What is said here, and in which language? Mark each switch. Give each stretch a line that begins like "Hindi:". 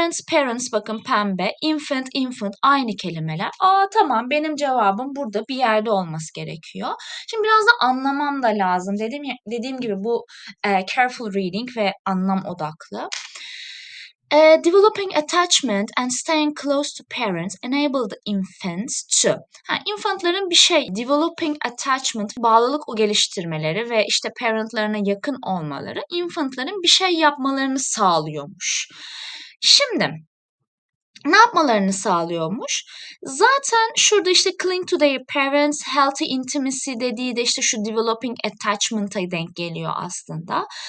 Turkish: Parents bakın pembe. Infant aynı kelimeler. Aa tamam benim cevabım burada bir yerde olması gerekiyor. Şimdi biraz da anlamam da lazım. Dediğim gibi bu
English: careful reading
Turkish: ve anlam odaklı.
English: Developing attachment and staying close to parents enable the infants to.
Turkish: Ha, infantların bir şey,
English: developing attachment,
Turkish: bağlılık geliştirmeleri ve işte parentlarına yakın olmaları infantların bir şey yapmalarını sağlıyormuş. Şimdi ne yapmalarını sağlıyormuş? Zaten şurada işte
English: cling to their parents, healthy intimacy
Turkish: dediği de işte şu developing attachment'a denk geliyor aslında.